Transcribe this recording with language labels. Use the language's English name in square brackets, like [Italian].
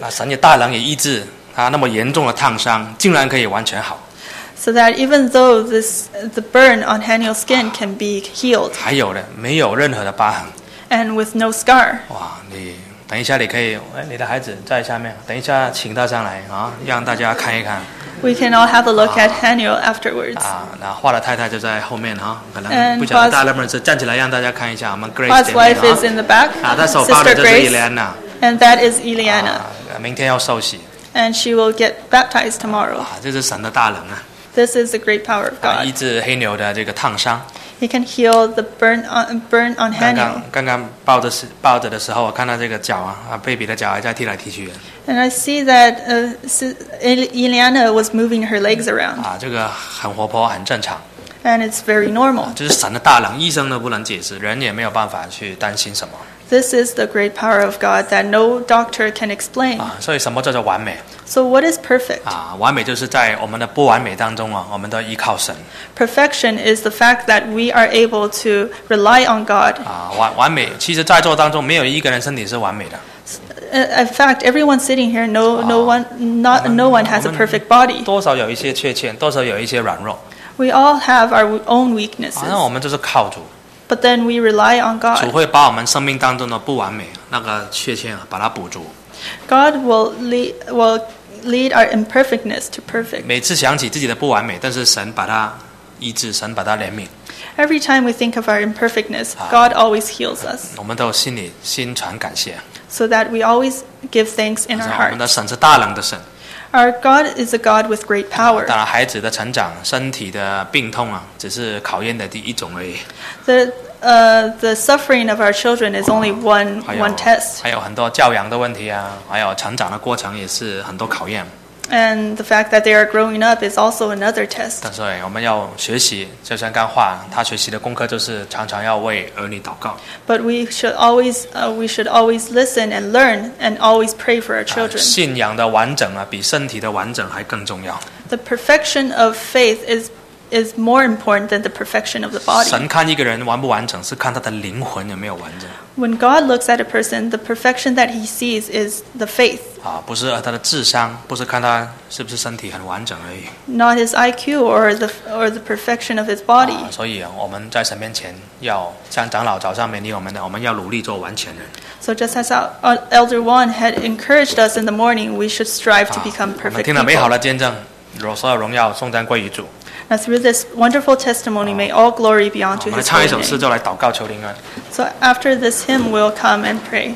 [Chinese] 神也大能也医治。啊，那么严重的烫伤竟然可以完全好。 [English] So that even though the burn on Haniel's skin can be healed. [Chinese] 还有呢，没有任何的疤痕。 [English] And with no scar. [Chinese] 哇，你等一下，你可以，哎，你的孩子在下面，等一下请他上来啊，让大家看一看。 [English] We can all have a look at Haniel afterwards. [Chinese] 啊，那华的太太就在后面哈，可能不晓得大了么子，站起来让大家看一下，我们 Grace 姐妹。 [English] His wife is in the back. [Chinese] 啊，她手抱的就是 Eliana。 [English] And that is Eliana. [Chinese] 啊，明天要受洗。 [English] And she will get baptized tomorrow. [Chinese] 啊，这是神的大能啊。 [English] This is the great power of God. [Chinese] 医治黑牛的这个烫伤。 [English] He can heal the burn on Haniel. [Chinese] 刚刚抱着的时候，我看到这个脚啊 ，baby 的脚还在踢来踢去。 [English] And I see that Eliana was moving her legs around. [Chinese] 啊，这个很活泼，很正常。 [English] And it's very normal. [Chinese] 这是神的大能，医生都不能解释，人也没有办法去担心什么。 [English] This is the great power of God that no doctor can explain. [Chinese] 啊，所以什么叫做完美？ [English] So what is perfect? [Chinese] 啊，完美就是在我们的不完美当中啊，我们都依靠神。 [English] Perfection is the fact that we are able to rely on God. [Chinese] 啊，完美，其实在座当中没有一个人身体是完美的。 [English] In fact, everyone sitting here, no one has a perfect body. [Chinese] 多少有一些缺陷，多少有一些软弱。 [English] We all have our own weaknesses. [Chinese] 啊，那我们就是靠主。 [English] But then we rely on God. [Chinese] 主会把我们生命当中的不完美那个缺陷把它补足。 [English] God will lead our imperfectness to perfect. [Chinese] 每次想起自己的不完美，但是神把它医治，神把它怜悯。 [English] Every time we think of our imperfectness, God always heals us. [Chinese] 我们都心存感谢。 [English] So that we always give thanks in our hearts. [Chinese] 我们的神是大能的神。 [English] Our God is a God with great power. [Chinese] 当然，孩子的成长、身体的病痛啊，只是考验的第一种而已。 [English] The suffering of our children is only one test. [Chinese] 还有很多教养的问题啊，还有成长的过程也是很多考验。 [English] And the fact that they are growing up is also another test. [Chinese] 但是我们要学习，就像刚话，他学习的功课就是常常要为儿女祷告。 [English] But we should always listen and learn and always pray for our children. [Chinese] 信仰的完整啊，比身体的完整还更重要。 [English] The perfection of faith is more important than the perfection of the body. [Chinese] 神看一个人完不完整，是看他的灵魂有没有完整。 [English] When God looks at a person, the perfection that He sees is the faith. [Chinese] 啊，不是他的智商，不是看他是不是身体很完整而已。 [English] Not his IQ or the perfection of his body. [Chinese] 啊，所以我们在神面前要像长老早上勉励我们的，我们要努力做完全人。 [English] So just as Elder Wan had encouraged us in the morning, we should strive to become perfect. [Chinese] 我们听了美好的见证，所有荣耀颂赞归于主。 [English] Now through this wonderful testimony, may all glory be unto His name. [Chinese] 我们唱一首诗，就来祷告求平安。 [English] So after this hymn, we'll come and pray.